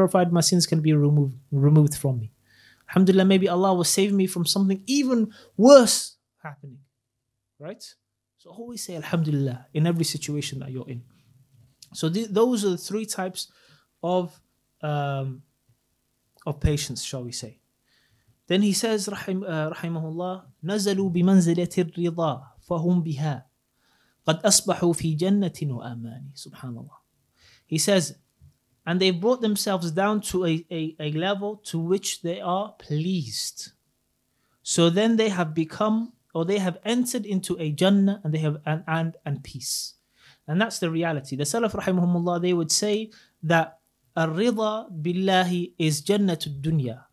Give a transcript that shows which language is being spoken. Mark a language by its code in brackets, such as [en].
[en] My sins can be removed from me. Alhamdulillah, maybe Allah was saving me from something even worse happening, right? So always say Alhamdulillah in every situation that you're in. So those are the three types of patience, shall we say. [ar] Then he says, Rahimahullah, نَزَلُوا بِمَنْزِلَةِ الرِّضَى فَهُمْ بِهَا قَدْ أَصْبَحُوا فِي جَنَّةٍ وَآمَانٍ. [en] SubhanAllah. He says, and they brought themselves down to a level to which they are pleased. So then they have become, or they have entered into a Jannah, and they have an peace. And that's the reality. The Salaf, Rahimahullah, they would say that الرِّضَى بِاللَّهِ is [ar] جَنَّةُ الدُّنْيَا.